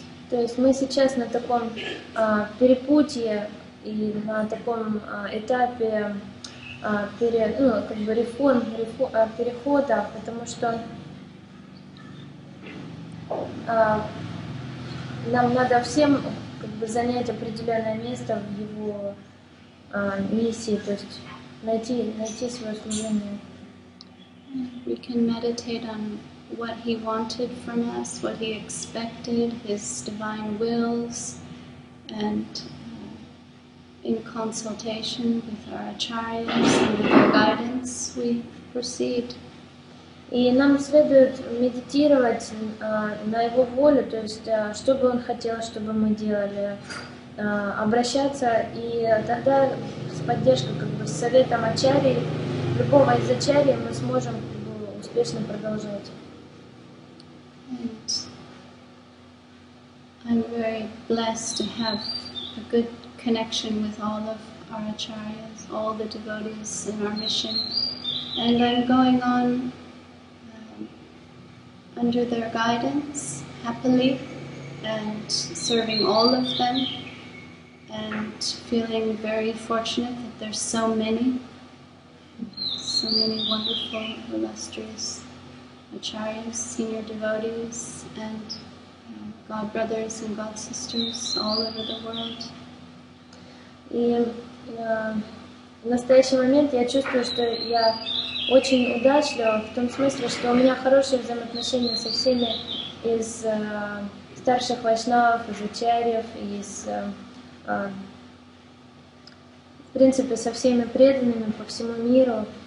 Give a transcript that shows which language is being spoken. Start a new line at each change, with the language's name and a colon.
Russian: То есть мы сейчас на таком перепутье и на таком этапе перехода, потому что нам надо всем как бы занять определенное место в его миссии, то есть найти свое служение.
English: We can meditate on what he wanted from us, what he expected, his divine wills, and in consultation with our acharyas and with our guidance, we proceed.
Russian: И нам следует медитировать на его волю, то есть что бы он хотел, чтобы мы делали, обращаться, и тогда с поддержкой, как бы с советом ачарьи, любого из ачарьи, мы сможем как бы успешно продолжать.
English: And I'm very blessed to have a good connection with all of our acharyas, all the devotees in our mission. And I'm going on under their guidance, happily, and serving all of them, and feeling very fortunate that there's so many wonderful, illustrious acharyas, senior devotees, and god brothers and god sisters all over the world.
Russian: В настоящий момент я чувствую, что я очень удачно в том смысле, что у меня хорошие взаимоотношения со всеми из старших вайшнавов, из ачарьев, из, в принципе, со всеми преданными по всему миру.